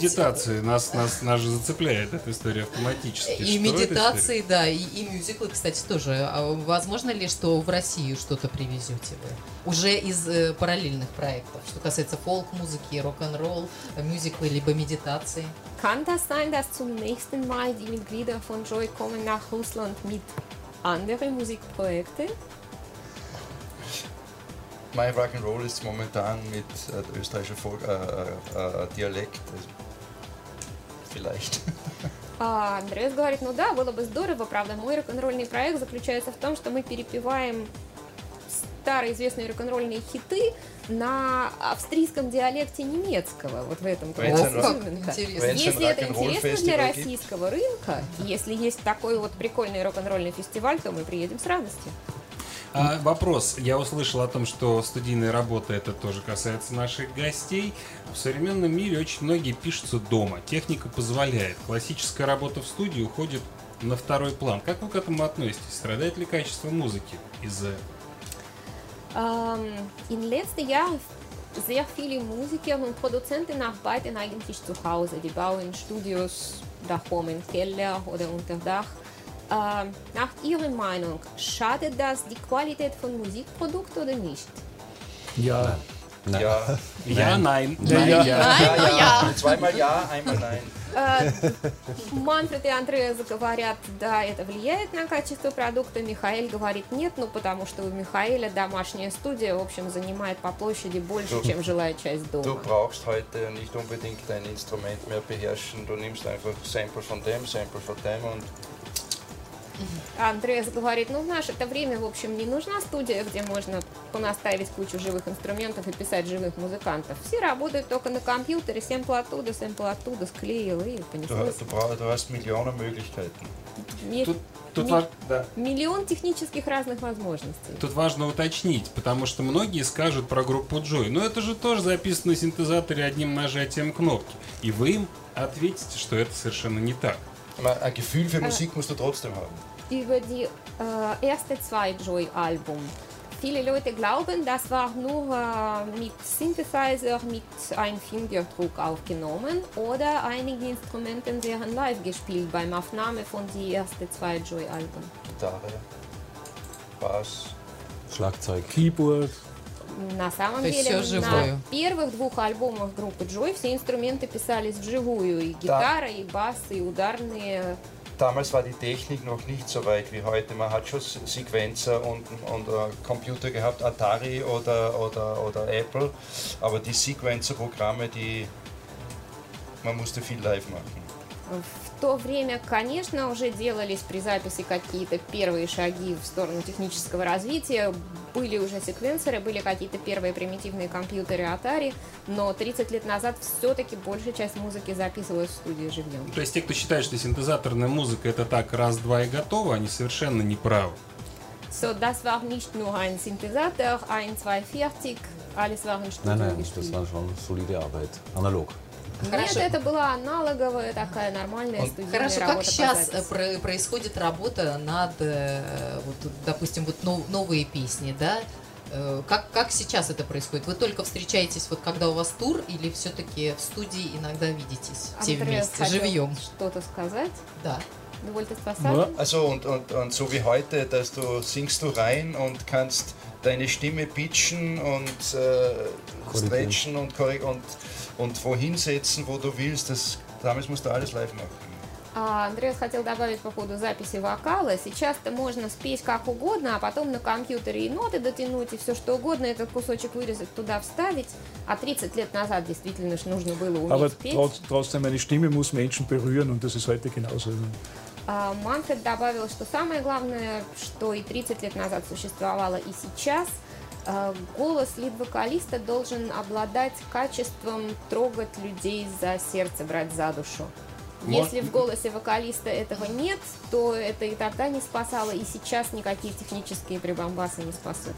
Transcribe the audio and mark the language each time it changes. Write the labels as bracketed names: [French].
[Russian] медитации нас же зацепляет эта история автоматически. И что медитации, да, и мюзиклы, кстати, тоже. А возможно ли, что в Россию что-то привезете вы? Уже из параллельных проектов, что касается фолк-музыки, рок-н-ролл, мюзиклы, либо медитации. [German] Kann das sein, dass zum nächsten Mal die Mitglieder von Joy kommen nach Russland mit anderen Musikprojekten? Mein Rock'n'Roll ist momentan mit österreichischem Volk, Dialekt, also, vielleicht. [Russian] Андреас говорит, ну да, было бы здорово, правда, мой рок-н-ролльный проект заключается в том, что мы перепеваем старые известные рок-н-ролльные хиты на австрийском диалекте немецкого, вот в этом классе. Если это интересно для российского рынка, если есть такой вот прикольный рок-н-ролльный фестиваль, то мы приедем с радостью. Вопрос. Я услышал о том, что студийная работа, это тоже касается наших гостей. В современном мире очень многие пишутся дома. Техника позволяет. Классическая работа в студии уходит на второй план. Как вы к этому относитесь? Страдает ли качество музыки из-за... [German] In letzter Jahr sehr viele Musiker und Produzenten arbeiten eigentlich zu Hause. Die bauen Studios davor im Keller oder unter Dach. Nach Ihrer Meinung, schadet das die Qualität von Musikprodukt oder nicht? Ja. Nein. Ja. Ja, nein. Nein, ja. Ja. Nein, ja. Ja. Zweimal ja, einmal nein. [Russian] Манфред и Андреас говорят, да, это влияет на качество продукта. Михаил говорит, нет, ну потому что у Михаила домашняя студия, в общем, занимает по площади больше, чем жилая часть дома. [German] Du brauchst heute nicht unbedingt dein Instrument mehr beherrschen. Du nimmst einfach Sample von dem, Sample von dem und... [Russian] Андреас говорит, ну в наше это время, в общем, не нужна студия, где можно понаставить кучу живых инструментов и писать живых музыкантов. Все работают только на компьютере, сэмпл оттуда, склеил и понеслось. [German] Du hast [Russian] миллионы [German] möglichkeiten. [Russian] Миллион технических разных возможностей. Тут важно уточнить, потому что многие скажут про группу Joy, но это же тоже записано синтезаторе одним нажатием кнопки. И вы им ответите, что это совершенно не так. [German] Ein Gefühl für Musik musst du trotzdem haben. Über die erste zwei Joy-Album. Viele Leute glauben, das war nur mit Synthesizer, mit einem Fingerdruck aufgenommen. Oder einige Instrumente wären live gespielt beim Aufnahme von die erste zwei Joy-Album. Gitarre, Bass, Schlagzeug, Keyboard. [Russian] На самом то деле, на первых двух альбомах группы Joy все инструменты писались вживую. И гитара, и бас, и ударные. [German] Damals war die Technik noch nicht so weit wie heute. Man hat schon Sequenzer und Computer gehabt, Atari oder Apple. Aber die Sequenzer-Programme, die man musste viel live machen. [Russian] В то время, конечно, уже делались при записи какие-то первые шаги в сторону технического развития. Были уже секвенсоры, были какие-то первые примитивные компьютеры Atari, но 30 лет назад все-таки большая часть музыки записывалась в студии живьем. То есть те, кто считает, что синтезаторная музыка это так раз-два и готово, они совершенно не правы. [German] So, das war nicht nur ein Synthesizer, ein, zwei, fertig, alles war in Studio. Nein, das war schon solide Arbeit, analog. [Russian] Хорошо. Нет, это была аналоговая такая нормальная студийная хорошо, работа. Хорошо, как сейчас происходит работа над, вот, допустим, вот новые песни, да? Как сейчас это происходит? Вы только встречаетесь, вот когда у вас тур, или все-таки в студии иногда видитесь все Андреас вместе, живьем? Что-то сказать? Да. [German] Du wolltest was sagen? Also und so wie heute, dass du singst du rein und kannst deine Stimme pitchen und stretchen und korrigieren und wohin setzen, wo du willst, damals musst du alles live machen. [Russian] Андреас хотел добавить по поводу записи вокала. Сейчас-то можно спеть как угодно, а потом на компьютере и ноты дотянуть, и все что угодно, этот кусочек вырезать, туда вставить. А 30 лет назад действительно ж нужно было уметь [German] aber [Russian] петь. [German] Aber trotzdem, meine Stimme muss Menschen berühren, und das ist heute genauso. [Russian] Манфред добавил, что самое главное, что и 30 лет назад существовало, и сейчас, голос лид-вокалиста должен обладать качеством трогать людей за сердце, брать за душу. Если в голосе вокалиста этого нет, то это и тогда не спасало, и сейчас никакие технические прибамбасы не спасут.